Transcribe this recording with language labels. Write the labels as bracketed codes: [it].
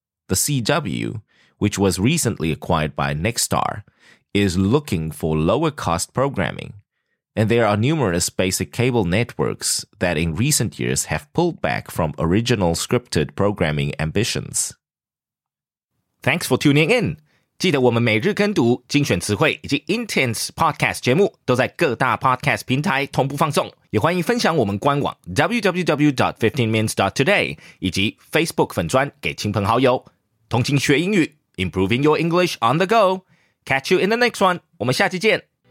[en] The CW, which was recently acquired by Nexstar, is looking for lower-cost programming, and there are numerous basic cable networks that in recent years have pulled back from original scripted programming ambitions. Thanks for tuning in! [zh] 记得我们每日跟读精选词汇以及 Intense Podcast 节目都在各大 Podcast 平台同步放送，也欢迎分享我们官网 www.15minutes.today 以及 Facebook 粉专给亲朋好友。同情学英语 [en] Improving your English on the go. Catch you in the next one. [zh] 我们下期见。